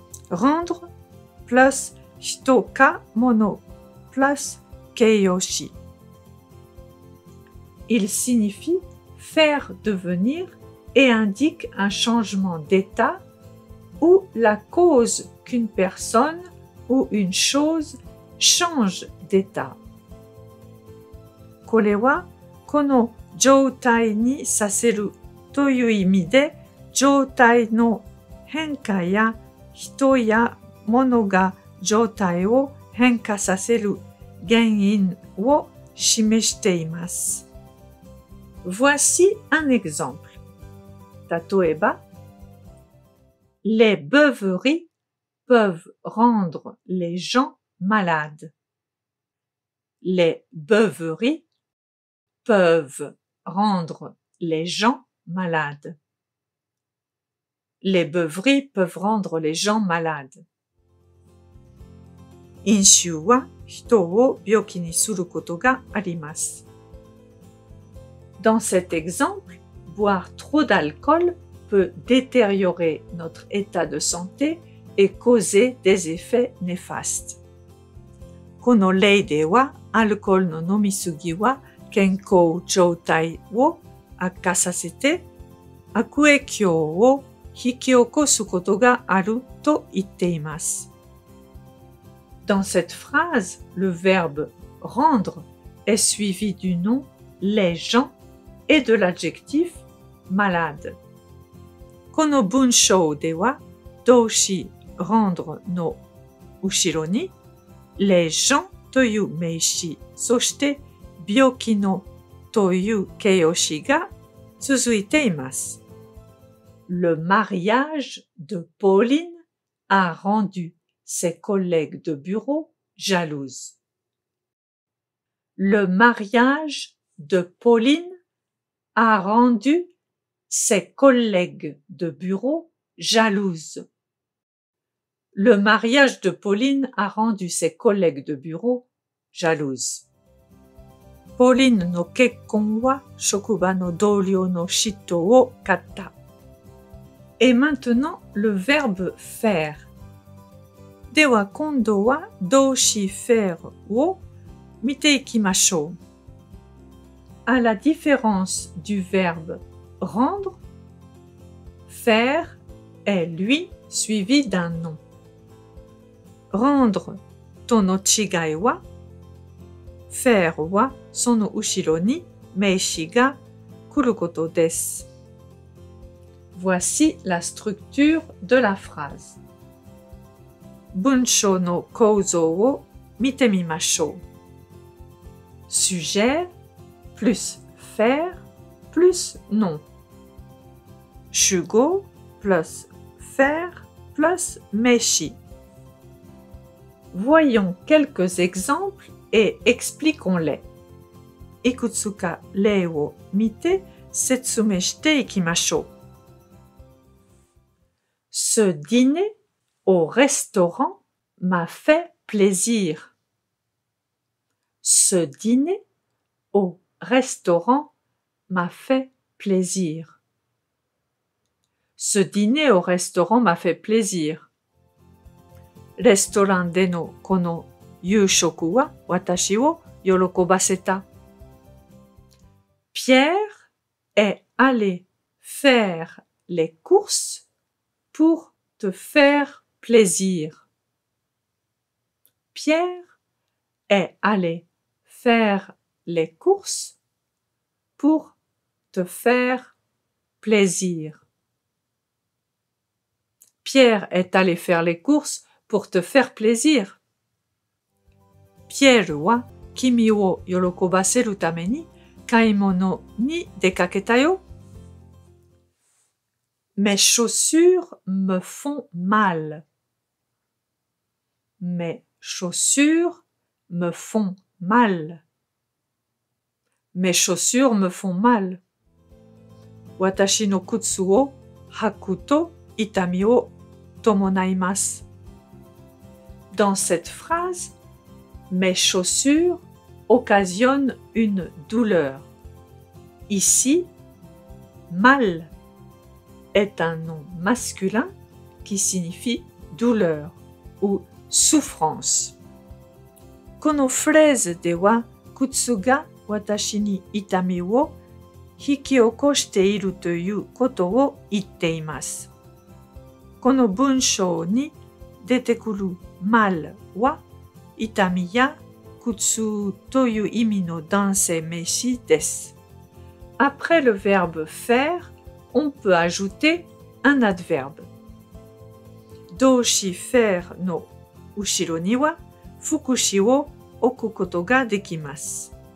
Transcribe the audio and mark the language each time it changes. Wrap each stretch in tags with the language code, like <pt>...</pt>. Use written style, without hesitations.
<ja>Rendre plus hito ka mono plus keiyoshi.</ja> <fr>Il signifie faire devenir et indique un changement d'état ou la cause qu'une personne ou une chose change d'état.</fr> <ja>これはこの状態にさせるという意味で、状態の変化や人や物が状態を変化させる原因を示しています。</ja> <fr>Voici un exemple.</fr> <ja>例えば、</ja> <fr>Les beuveries peuvent rendre les gens malades. Les beuveries peuvent rendre les gens malades. Les beuveries peuvent rendre les gens malades.</fr> <ja>飲酒は人を病気にすることがあります。</ja> <fr>Dans cet exemple, boire trop d'alcool peut détériorer notre état de santé et causer des effets néfastes.</fr> <ja>この例では、アルコールの飲みすぎは健康状態を悪化させて、悪影響を引き起こすことがあると言っています。</ja> <fr>Dans cette phrase, le verbe rendre est suivi du nom les gens et de l'adjectif malade.</fr> <ja>この文章では、動詞rendreの後ろに、les gens という名詞、そして病気のという形容詞が続いています。</ja> <fr>Le mariage de Pauline a rendu ses collègues de bureau jalouses. Le mariage de Pauline a rendu ses collègues de bureau jalouses. Le mariage de Pauline a rendu ses collègues de bureau jalouses.</fr> <ja>Pauline の結婚は職場の同僚の嫉妬を買った。</ja> <fr>Et maintenant, le verbe faire.</fr> <ja>では今度は動詞 faire を見ていきましょう。</ja> <fr>À la différence du verbe rendre, faire est lui suivi d'un nom.</fr> <ja>Rendre との違いは faire はその後ろに名詞が来ることです。</ja> <fr>Voici la structure de la phrase.</fr> <ja>文章の構造を見てみましょう。</ja> <fr>Sujet plus faire plus nom.</fr> <ja>主語 plus faire plus 名詞。</ja> <fr>Voyons quelques exemples. Et expliquons-les.</fr> <ja>いくつか例を見て説明していきましょう。</ja> <fr>Ce dîner au restaurant m'a fait plaisir. Ce dîner au restaurant m'a fait plaisir. Ce dîner au restaurant m'a fait plaisir.</fr> <ja>レストランでのこの夕食は私を喜ばせた。</ja> <fr>Pierre est allé faire les courses pour te faire plaisir. Pierre est allé faire les courses pour te faire plaisir. Pierre est allé faire les courses pour te faire plaisir.</fr> <ja>Pierre は君を喜ばせるために買い物に出かけたよ。</ja> <fr>Mes chaussures me font mal. Mes chaussures me font mal. Mes chaussures me font mal.</fr> <ja>私の靴を履くと痛みを伴います。</ja> <fr>Dans cette phrase, mes chaussures occasionnent une douleur. Ici, mal est un nom masculin qui signifie douleur ou souffrance.</fr> <ja>このフレーズでは、靴が私に痛みを引き起こしているということを言っています。この文章に出てくる mal は痛みや靴という意味の男性名詞です。</ja> <fr>Après le verbe faire, on peut ajouter un adverbe.</fr> <ja>動詞 faire の後ろには副詞を置くことができます。</ja>